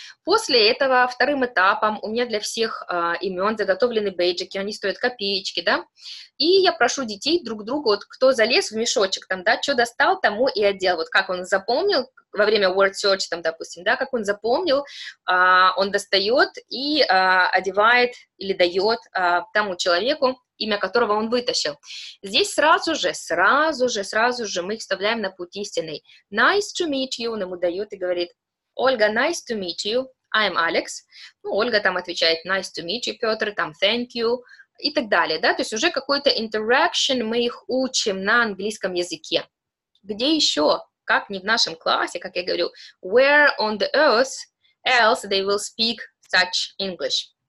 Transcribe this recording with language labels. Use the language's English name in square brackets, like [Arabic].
[Russian] После этого вторым этапом у меня для всех имен заготовлены бейджики, они стоят копеечки, да, и я прошу детей друг другу, вот кто залез в мешочек там, да, что достал, тому и одел, вот как он запомнил во время word search там, допустим, да, как он запомнил, он достает и одевает или дает тому человеку, имя которого он вытащил. Здесь сразу же мы их вставляем на путь истинный. [English] Nice to meet you, [Russian] он ему дает и говорит, [English] Ольга, nice to meet you, I'm Alex. [Russian] Ну, Ольга там отвечает, [English] nice to meet you, [Russian] Петр, там, [English] thank you, [Russian] и так далее, да, то есть уже какой-то interaction мы их учим на английском языке. Где еще, как не в нашем классе, как я говорю, [English] where on the earth else they will speak such English?